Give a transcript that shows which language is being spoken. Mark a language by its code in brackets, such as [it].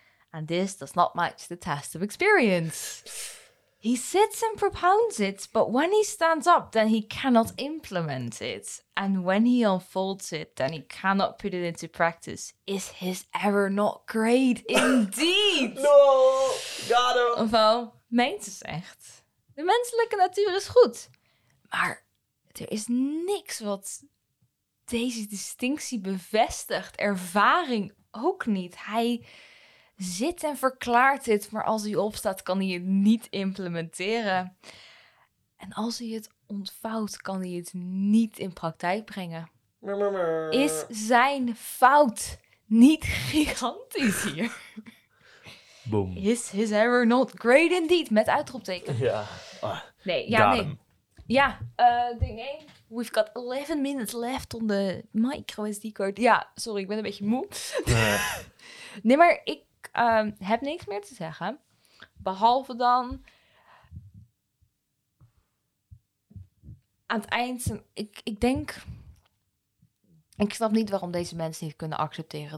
[en] And this does not match the test of experience. He sits and propounds it, but when he stands up, then he cannot implement it. And when he unfolds it, then he cannot put it into practice. Is his error not great indeed? No! Got him! [nl] Ofwel, Mengtse zegt, de menselijke natuur is goed. Maar... er is niks wat deze distinctie bevestigt. Ervaring ook niet. Hij zit en verklaart dit, maar als hij opstaat, kan hij het niet implementeren. En als hij het ontvouwt, kan hij het niet in praktijk brengen. Is zijn fout niet gigantisch hier? Boom. [en] Is his error not great indeed? [nl] Met uitroepteken. Ja. Nee, ja, nee. Ja, ding 1. [en] We've got 11 minutes left on the micro SD card. [nl] Ja, sorry, ik ben een beetje moe. Nee, maar ik heb niks meer te zeggen. Behalve dan... aan het eind... Ik denk... ik snap niet waarom deze mensen niet kunnen accepteren...